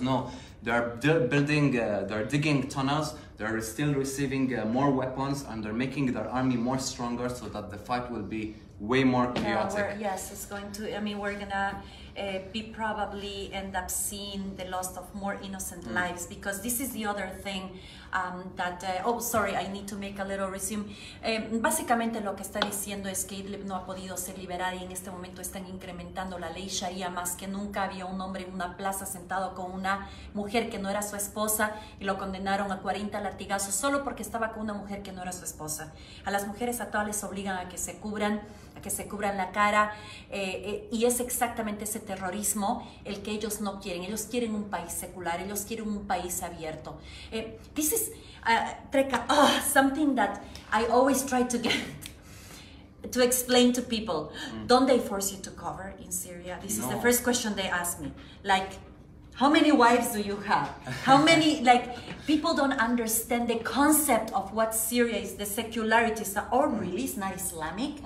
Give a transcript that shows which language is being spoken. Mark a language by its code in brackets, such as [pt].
[en] No, they're building, they're digging tunnels, they're still receiving more weapons, and they're making their army more stronger so that the fight will be way more chaotic. We're gonna be probably end up seeing the loss of more innocent lives, because this is the other thing that I need to make a little resume. [es] Básicamente lo que está diciendo es que Idlib no ha podido ser liberada y en este momento están incrementando la ley Sharia más que nunca. Había un hombre en una plaza sentado con una mujer que no era su esposa y lo condenaron a 40 latigazos solo porque estaba con una mujer que no era su esposa. A las mujeres a todas les obligan a que se cubran, la cara, y es exactamente ese terrorismo el que ellos no quieren. Ellos quieren un país secular, ellos quieren un país abierto. [en] This is, Treka, something that I always try to get to explain to people. Don't they force you to cover in Syria? This is the first question they ask me. Like, How many wives do you have? How many, like, people don't understand the concept of what Syria is, the secularity, or really it's not Islamic.